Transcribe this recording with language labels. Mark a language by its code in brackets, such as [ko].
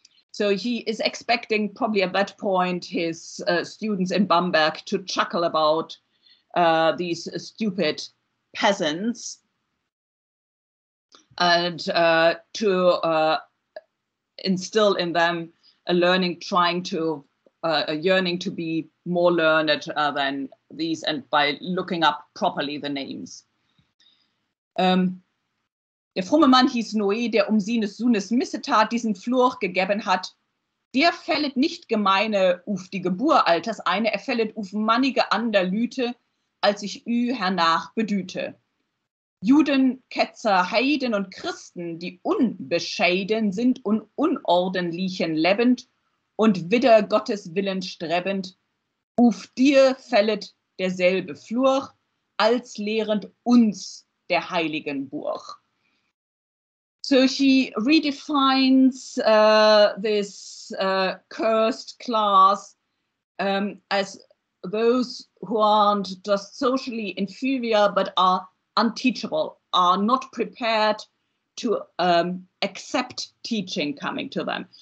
[en] So he is expecting probably at that point his students in Bamberg to chuckle about these stupid peasants and to instill in them a learning, a yearning to be more learned than these, and by looking up properly the names. [gmh] Der fromme Mann hieß Noé, der um sines Sohnes Missetat diesen Fluch gegeben hat. Der fället nicht gemeine uf die Gebur alters eine, er fället uf mannige ander Lüte, als ich ü hernach bedüte. Juden, Ketzer, Heiden und Christen, die unbescheiden sind und unordentlichen lebend und wider Gottes Willen strebend, uf dir fället derselbe Fluch, als lehrend uns der heiligen Buch. [en] So he redefines this cursed class as those who aren't just socially inferior, but are unteachable, are not prepared to accept teaching coming to them.